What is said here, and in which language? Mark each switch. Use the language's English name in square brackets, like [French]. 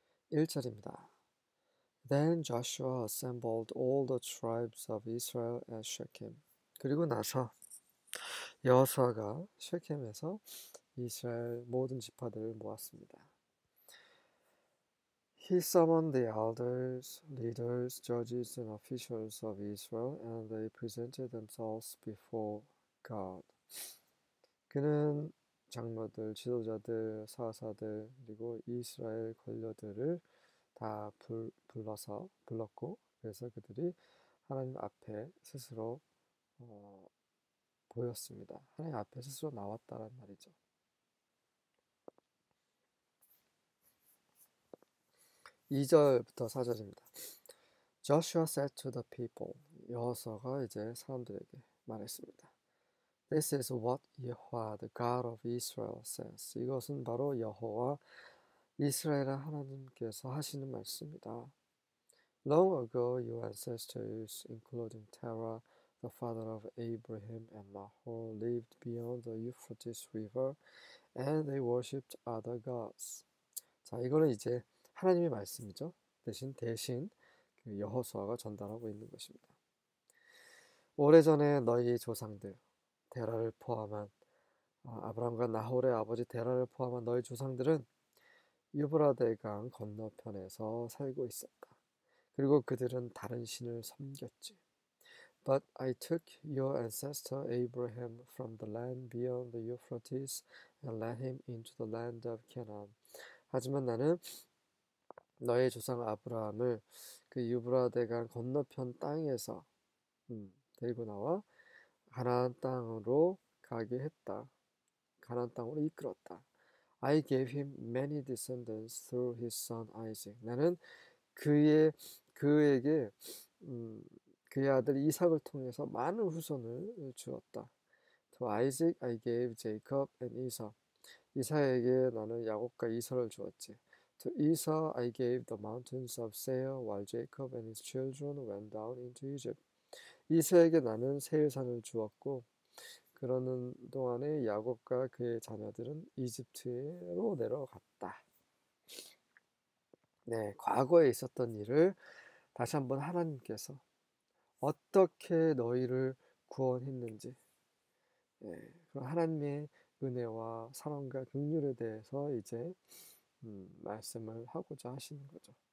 [Korean] 1절입니다. [English] Then Joshua assembled all the tribes of Israel at Shechem. [Korean] 그리고 나서 여호수아가 쉐겜에서 이스라엘 모든 지파들을 모았습니다. [English] He summoned the elders, leaders, judges, and officials of Israel, and they presented themselves before God. [Korean] 그는 장로들, 지도자들, 사사들, 그리고 이스라엘 관료들을 다 불렀고, 그래서 그들이 하나님 앞에 스스로 보였습니다. 하나님 앞에 스스로 나왔다는 말이죠. 2절부터 4절입니다. [English] Joshua said to the people, [Korean] 여호수아가 이제 사람들에게 말했습니다. [English] This is what Yahweh, the God of Israel, says. [Korean] 이것은 바로 여호와 이스라엘 하나님께서 하시는 말씀이다. [English] Long ago, your ancestors, including Terah, the father of Abraham and Nahor, lived beyond the Euphrates River, and they worshipped other gods. [Korean] 자, 이거는 이제 하나님의 말씀이죠. 대신 그 여호수아가 전달하고 있는 것입니다. 오래전에 너희 조상들, 데라를 포함한 아브람과 나홀의 아버지 데라를 포함한 너희 조상들은 유브라데 강 건너편에서 살고 있었다. 그리고 그들은 다른 신을 섬겼지. [English] But I took your ancestor Abraham from the land beyond the Euphrates and led him into the land of Canaan. [Korean] 하지만 나는 너의 조상 아브라함을 그 유브라데 강 건너편 땅에서 데리고 나와 가나안 땅으로 가게 했다. 가나안 땅으로 이끌었다. [English] I gave him many descendants through his son Isaac. [Korean] 나는 그에게 그의 아들 이삭을 통해서 많은 후손을 주었다. [English] To Isaac I gave Jacob and Esau. [Korean] 이삭에게 나는 야곱과 이삭을 주었지. [English] To Esau I gave the mountains of Seir, while Jacob and his children went down into Egypt. [Korean] 이삭에게 나는 세일산을 주었고 그러는 동안에 야곱과 그의 자녀들은 이집트로 내려갔다. 네, 과거에 있었던 일을 다시 한번 하나님께서 어떻게 너희를 구원했는지, 그 하나님의 은혜와 사랑과 긍휼에 대해서 이제 말씀을 하고자 하시는 거죠.